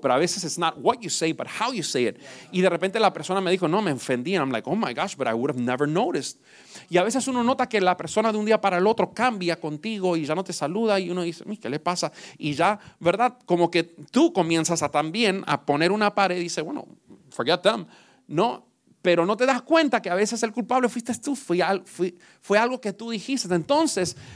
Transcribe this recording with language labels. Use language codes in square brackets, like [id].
[es] Pero a veces [en] it's not what you say, but how you say it. [es] Y de repente la persona me dijo, no, me ofendí. [en] And I'm like, oh my gosh, but I would have never noticed. [es] Y a veces uno nota que la persona de un día para el otro cambia contigo y ya no te saluda. Y uno dice, ¿qué le pasa? Y ya, ¿verdad? Como que tú comienzas a también a poner una pared y dices, bueno, [en] forget them, [es] ¿no? Pero no te das cuenta que a veces el culpable fuiste tú, fue algo que tú dijiste. Entonces,